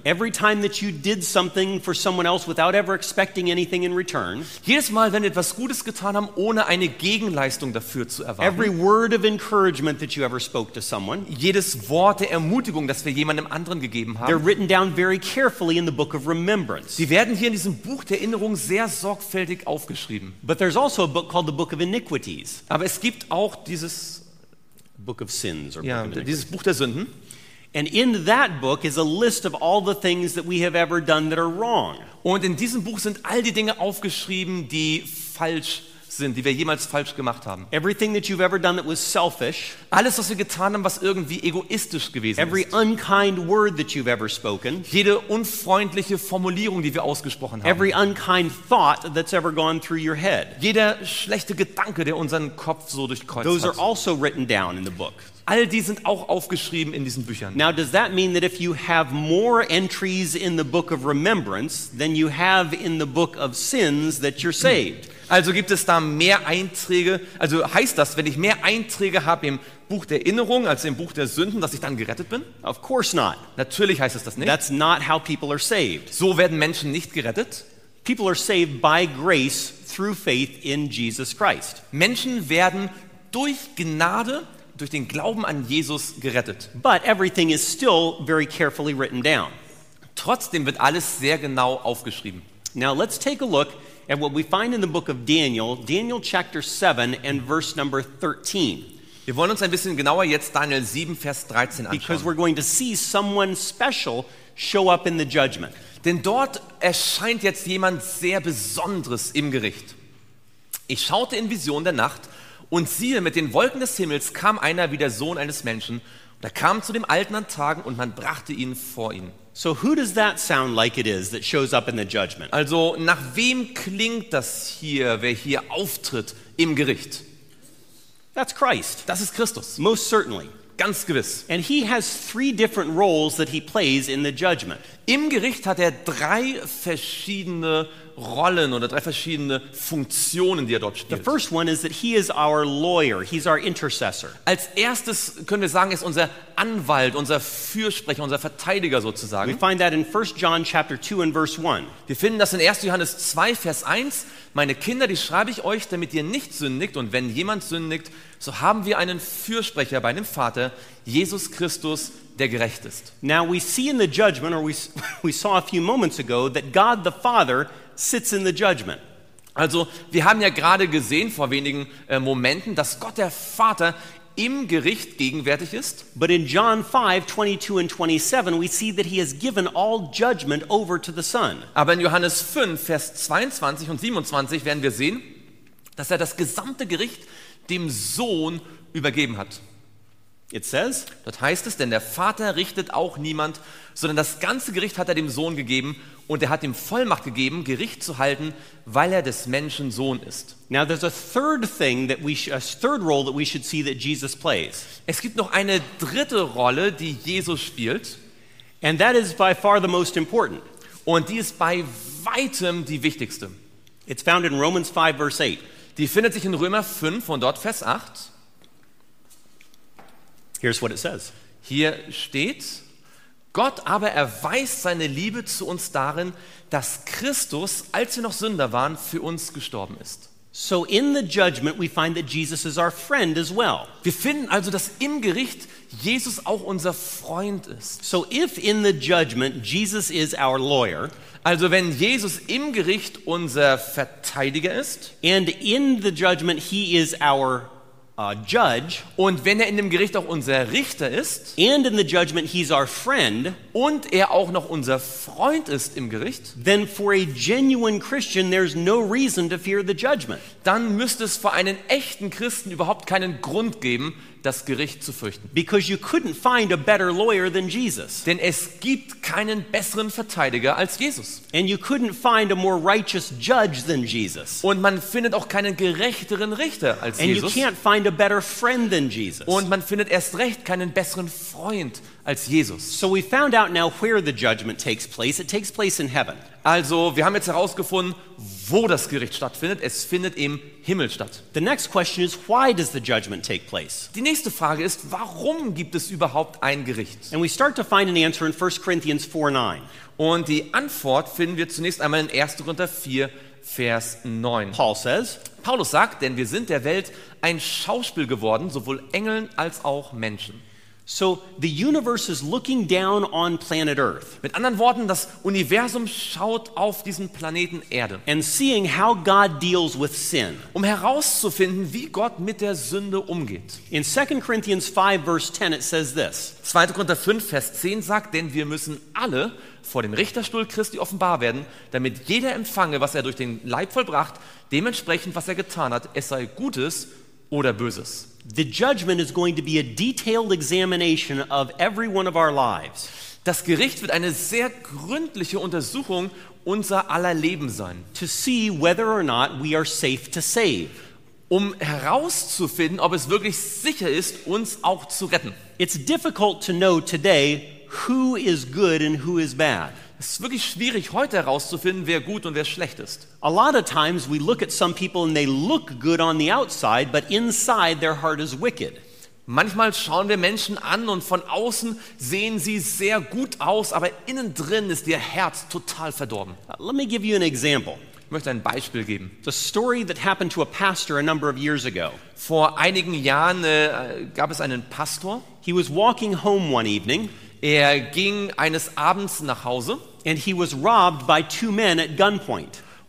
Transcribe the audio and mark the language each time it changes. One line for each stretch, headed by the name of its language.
English: Every time that you did something for someone else without ever expecting anything in return.
German: Jedes Mal, wenn wir etwas Gutes getan haben, ohne eine Gegenleistung dafür zu erwarten.
English: Every word of encouragement that you ever spoke to someone.
German: Jedes Wort der Ermutigung, das wir jemandem anderen gegeben haben.
English: They're written down very carefully in the book of remembrance.
German: Sie werden hier in diesem Buch der Erinnerung sehr sorgfältig aufgeschrieben.
English: But there's also a book called the Book of Iniquities.
German: Aber es gibt auch dieses
English: Book of Sins or
German: dieses Buch der Sünden.
English: And in that book is a list of all the things that we have ever done that are wrong.
German: Und in diesem Buch sind all die Dinge aufgeschrieben, die falsch sind, die wir jemals falsch gemacht haben.
English: Everything that you've ever done that was selfish.
German: Alles, was wir getan haben, was irgendwie egoistisch gewesen
English: every
German: ist.
English: Every unkind word that you've ever spoken.
German: Jede unfreundliche Formulierung, die wir ausgesprochen haben.
English: Every unkind thought that's ever gone through your head.
German: Jeder schlechte Gedanke, der unseren Kopf so durchkreuzt
English: those
German: hat.
English: Those are also written down in the book.
German: All die sind auch aufgeschrieben in diesen Büchern.
English: Now does that mean that if you have more entries in the book of remembrance than you have in the book of sins that you're saved?
German: Also gibt es da mehr Einträge, also heißt das, wenn ich mehr Einträge habe im Buch der Erinnerung als im Buch der Sünden, dass ich dann gerettet bin?
English: Of course not.
German: Natürlich heißt es das nicht.
English: That's not how people are saved.
German: So werden Menschen nicht gerettet.
English: People are saved by grace through faith in Jesus Christ.
German: Menschen werden durch Gnade durch den Glauben an Jesus gerettet.
English: But everything is still very carefully written down.
German: Trotzdem wird alles sehr genau aufgeschrieben.
English: Now let's take a look at what we find in the book of Daniel, Daniel chapter 7 and verse number 13.
German: Wir wollen uns ein bisschen genauer jetzt Daniel 7 Vers 13 anschauen.
English: Because we're going to see someone special show up in the judgment.
German: Denn dort erscheint jetzt jemand sehr Besonderes im Gericht. Ich schaute in Vision der Nacht und siehe, mit den Wolken des Himmels kam einer wie der Sohn eines Menschen. Und er kam zu dem Alten an Tagen und man brachte ihn vor ihn.
English: So who does that sound like it is that shows up in the judgment?
German: Also nach wem klingt das hier, wer hier auftritt im Gericht?
English: That's Christ.
German: Das ist Christus.
English: Most certainly.
German: Ganz gewiss.
English: And he has three different roles that he plays in the judgment.
German: Im Gericht hat er drei verschiedene Rollen oder drei verschiedene Funktionen, die er dort spielt.
English: The first one is that he is our lawyer, he's our intercessor.
German: Als erstes können wir sagen, ist unser Anwalt, unser Fürsprecher, unser Verteidiger sozusagen.
English: We find that in 1 John chapter 2 and verse 1.
German: Wir finden das in 1. Johannes 2 Vers 1. Meine Kinder, die schreibe ich euch, damit ihr nicht sündigt, und wenn jemand sündigt, so haben wir einen Fürsprecher bei dem Vater, Jesus Christus, der gerecht ist.
English: Now we see in the judgment, or we saw a few moments ago, that God the Father sits in the judgment.
German: Also, wir haben ja gerade gesehen vor wenigen Momenten, dass Gott der Vater im Gericht gegenwärtig ist.
English: But in John 5:22 and 27 we see that he has given all judgment over to the Son.
German: Aber in Johannes 5 Vers 22 und 27 werden wir sehen, dass er das gesamte Gericht dem Sohn übergeben hat.
English: It says,
German: dort heißt es, denn der Vater richtet auch niemand, sondern das ganze Gericht hat er dem Sohn gegeben. Und er hat ihm Vollmacht gegeben, Gericht zu halten, weil er des Menschen Sohn ist.
English: Now there's a third thing that we a third role that we should see that Jesus plays.
German: Es gibt noch eine dritte Rolle, die Jesus spielt.
English: And that is by far the most important.
German: Und die ist bei weitem die wichtigste.
English: It's found in Romans 5 verse 8.
German: Die findet sich in Römer 5 und dort Vers 8.
English: Here's what it says.
German: Hier steht: Gott aber erweist seine Liebe zu uns darin, dass Christus, als wir noch Sünder waren, für uns gestorben ist.
English: So in the judgment we find that Jesus is our friend as well.
German: Wir finden also, dass im Gericht Jesus auch unser Freund ist.
English: So if in the judgment Jesus is our lawyer,
German: also wenn Jesus im Gericht unser Verteidiger ist,
English: and in the judgment he is our judge,
German: und wenn er in dem Gericht auch unser Richter ist,
English: and in the judgment he's our friend,
German: und er auch noch unser Freund ist im Gericht,
English: then for a genuine Christian there's no reason to fear the judgment.
German: Dann müsste es für einen echten Christen überhaupt keinen Grund geben, das Gericht zu fürchten.
English: Because you couldn't find a better lawyer than Jesus.
German: Denn es gibt keinen besseren Verteidiger als Jesus.
English: And you couldn't find a more righteous judge than Jesus.
German: Und man findet auch keinen gerechteren Richter als
English: and
German: Jesus.
English: And you can't find a better friend than Jesus.
German: Und man findet erst recht keinen besseren Freund als Jesus.
English: So we found out now where the judgment takes place. It takes place in heaven.
German: Also, wir haben jetzt herausgefunden, wo das Gericht stattfindet. Es findet im Himmel statt.
English: The next question is, why does the judgment take place?
German: Die nächste Frage ist, warum gibt es überhaupt ein Gericht?
English: And we start to find an answer in 1 Corinthians 4:9.
German: Und die Antwort finden wir zunächst einmal in 1. Korinther 4, Vers 9.
English: Paul says,
German: Paulus sagt, denn wir sind der Welt ein Schauspiel geworden, sowohl Engeln als auch Menschen.
English: So the universe is looking down on planet Earth.
German: Mit anderen Worten, das Universum schaut auf diesen Planeten Erde.
English: And seeing how God deals with sin.
German: Um herauszufinden, wie Gott mit der Sünde umgeht.
English: In 2 Corinthians 5 verse 10 it says this.
German: 2. Korinther 5 Vers 10 sagt, denn wir müssen alle vor dem Richterstuhl Christi offenbar werden, damit jeder empfange, was er durch den Leib vollbracht, dementsprechend was er getan hat, es sei Gutes oder Böses.
English: The judgment is going to be a detailed examination of every one of our lives.
German: Das Gericht wird eine sehr gründliche Untersuchung unser aller Leben sein.
English: To see whether or not we are safe to save.
German: Um herauszufinden, ob es wirklich sicher ist, uns auch zu retten.
English: It's difficult to know today who is good and who is bad.
German: Es ist wirklich schwierig, heute herauszufinden, wer gut und wer schlecht ist.
English: A lot of times we look at some people and they look good on the outside, but inside their heart is wicked.
German: Manchmal schauen wir Menschen an und von außen sehen sie sehr gut aus, aber innen drin ist ihr Herz total verdorben.
English: Let me give you an example.
German: Ich möchte ein Beispiel geben.
English: The story that happened to a pastor a number of years ago.
German: Vor einigen Jahren gab es einen Pastor.
English: He was walking home one evening.
German: Er ging eines Abends nach Hause.
English: And he was robbed by two men at gunpoint.